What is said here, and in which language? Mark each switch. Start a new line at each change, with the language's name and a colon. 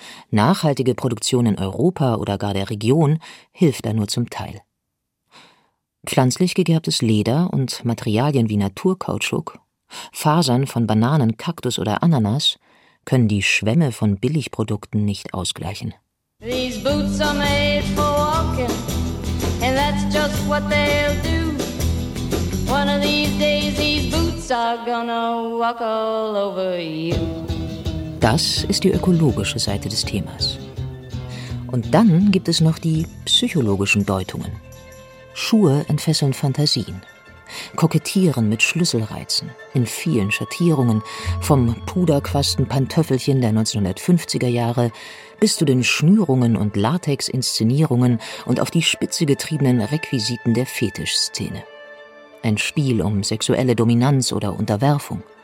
German: Nachhaltige Produktion in Europa oder gar der Region hilft da nur zum Teil. Pflanzlich gegerbtes Leder und Materialien wie Naturkautschuk, Fasern von Bananen, Kaktus oder Ananas können die Schwämme von Billigprodukten nicht ausgleichen.
English: These boots are made for walking, and that's just what they'll do. One of these days these boots are gonna walk all over you.
German: Das ist die ökologische Seite des Themas. Und dann gibt es noch die psychologischen Deutungen. Schuhe entfesseln Fantasien. Kokettieren mit Schlüsselreizen in vielen Schattierungen, vom Puderquasten-Pantöffelchen der 1950er Jahre bis zu den Schnürungen und Latex-Inszenierungen und auf die Spitze getriebenen Requisiten der Fetischszene. Ein Spiel um sexuelle Dominanz oder Unterwerfung.